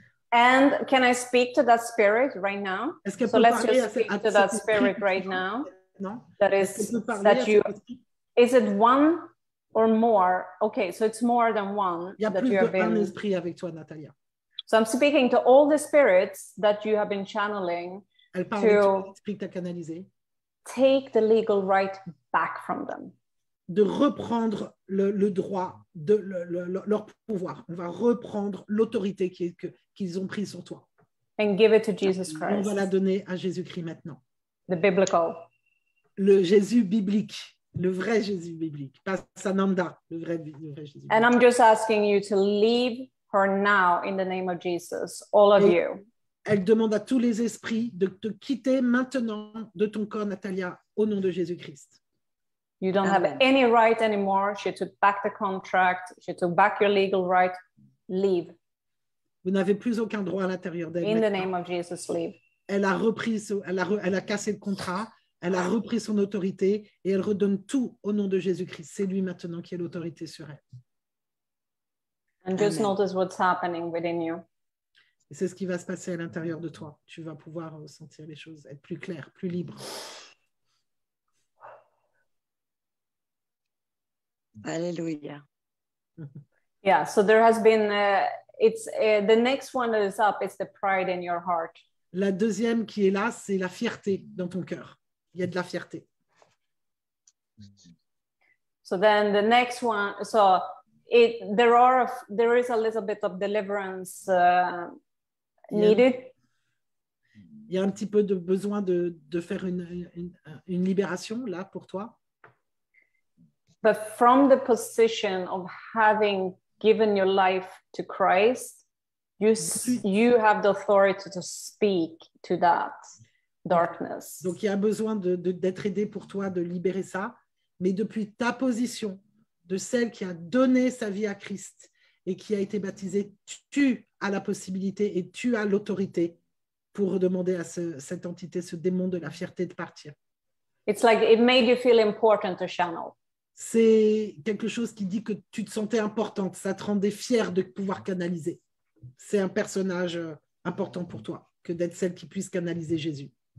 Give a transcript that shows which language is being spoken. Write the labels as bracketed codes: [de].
[en] And can I speak to that spirit right now? [fr] Est-ce qu'elle peut parler à cette... [en] So let's just speak to that spirit right now. [fr] Non? [en] That is, that you... Is it one... Or more, okay, so it's more than one. [fr] Il y a plus d'un esprit avec toi, Natalia. [en] So I'm speaking to all the spirits that you have been channeling. [fr] Elle parle de tous les esprits que tu as canalisés. [en] Take the legal right back from them. [fr] De reprendre le droit, leur pouvoir. On va reprendre l'autorité qu'ils ont prise sur toi. [en] And give it to Jesus Christ. [fr] On va la donner à Jésus-Christ maintenant. [en] The biblical. [fr] Le Jésus biblique. Le vrai Jésus biblique, pas Sananda, le vrai Jésus biblique. [en] And I'm just asking you to leave her now in the name of Jesus, all of you. [fr] Elle demande à tous les esprits de te quitter maintenant de ton corps, Natalia, au nom de Jésus-Christ. [en] You don't have any right anymore. She took back the contract. She took back your legal right. Leave. [fr] Vous n'avez plus aucun droit à l'intérieur d'elle. [en] In the name of Jesus, leave. [fr] Elle a cassé le contrat. Elle a repris son autorité et elle redonne tout au nom de Jésus-Christ. C'est lui maintenant qui a l'autorité sur elle. [en] And just Amen. Notice what's happening within you. [fr] Et c'est ce qui va se passer à l'intérieur de toi. Tu vas pouvoir sentir les choses, être plus clair, plus libre. Alléluia. [en] Yeah, so there has been, the next one that is up is the pride in your heart. [fr] La deuxième qui est là, c'est la fierté dans ton cœur. Il y a de la fierté. [en] So then the next one, so it there are there is a little bit of deliverance needed. [fr] Il y a un petit peu de besoin de faire une libération là pour toi. [en] But from the position of having given your life to Christ, you have the authority to speak to that. Darkness. [fr] Donc il y a besoin d'être aidé pour toi de libérer ça, mais depuis ta position de celle qui a donné sa vie à Christ et qui a été baptisée, tu as la possibilité et tu as l'autorité pour demander à cette entité, ce démon de la fierté, de partir. [en] It's like it made you feel important to channel. [fr] C'est quelque chose qui dit que tu te sentais importante, ça te rendait fière de pouvoir canaliser. C'est un personnage important pour toi que d'être celle qui puisse canaliser Jésus.